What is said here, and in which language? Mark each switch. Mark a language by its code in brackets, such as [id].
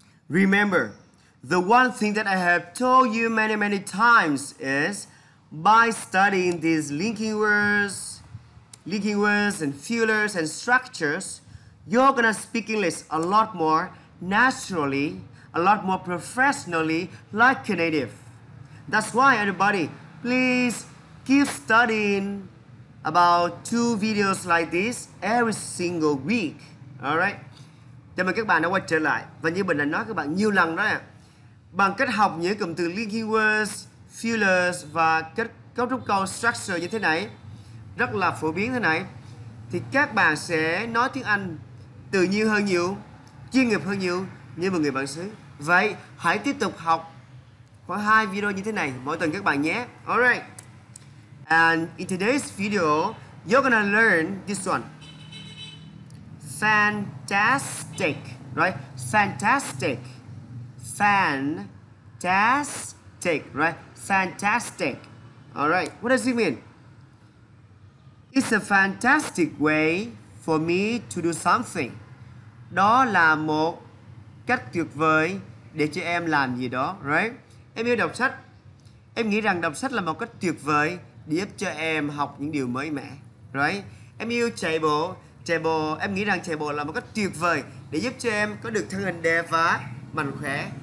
[en] Remember, the one thing that I have told you many, many times is by studying these linking words and fillers and structures, you're gonna speak English a lot more naturally, a lot more professionally, like a native. That's why, everybody, please keep studying about two videos like this every single week. All right? [vi] Chào mừng các bạn đã quay trở lại. Và như mình đã nói các bạn nhiều lần đó nè, bằng cách học những cụm từ linking words, fillers và cấu trúc câu structure như thế này, rất là phổ biến thế này, thì các bạn sẽ nói tiếng Anh tự nhiên hơn nhiều, chuyên nghiệp hơn nhiều như một người bản xứ. Vậy hãy tiếp tục học khoảng 2 video như thế này mỗi tuần các bạn nhé. [en] Alright. And in today's video, you're gonna learn this one. Fantastic, right? Fantastic. Fantastic, right? Fantastic. All right. What does it mean? It's a fantastic way for me to do something. [vi] Đó là một cách tuyệt vời để cho em làm gì đó, right? Em yêu đọc sách. Em nghĩ rằng đọc sách là một cách tuyệt vời để giúp cho em học những điều mới mẻ, right? Em yêu chạy bộ. Em nghĩ rằng chạy bộ là một cách tuyệt vời để giúp cho em có được thân hình đẹp và mạnh khỏe.